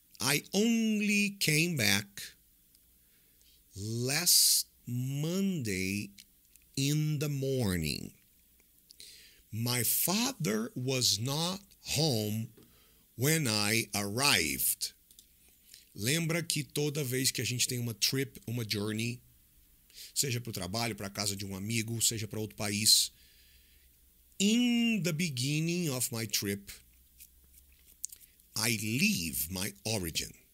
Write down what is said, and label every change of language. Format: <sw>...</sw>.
<en>I only came back last Monday in the morning. My father was not home when I arrived.</en> <pt>Lembra que toda vez que a gente tem uma trip, uma journey, seja para o trabalho, para a casa de um amigo, seja para outro país.</pt> <en>In the beginning of my trip, I leave my origin.</en>